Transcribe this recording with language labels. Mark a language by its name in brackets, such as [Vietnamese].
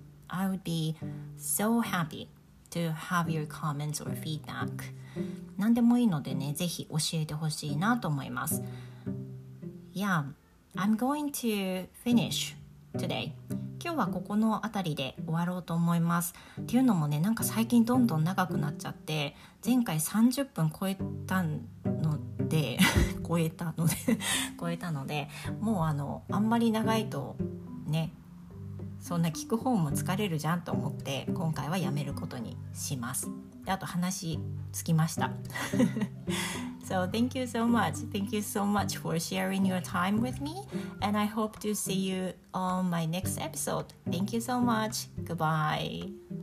[English] I would be so happy to have your comments or feedback. [Japanese] 何でもいいのでね、ぜひ教えてほしいなと思います。 [English] Yeah, I'm going to finish today. [Japanese] 今日はここのあたりで終わろうと思います。っていうのもね、なんか最近どんどん長くなっちゃって、前回30分超えたので、超えたので、もうあんまり長いとね、そんな聞く方も疲れるじゃんと思って、今回はやめることにします。であと話つきました。 [English] So thank you so much. Thank you so much for sharing your time with me. And I hope to see you on my next episode. Thank you so much. Goodbye.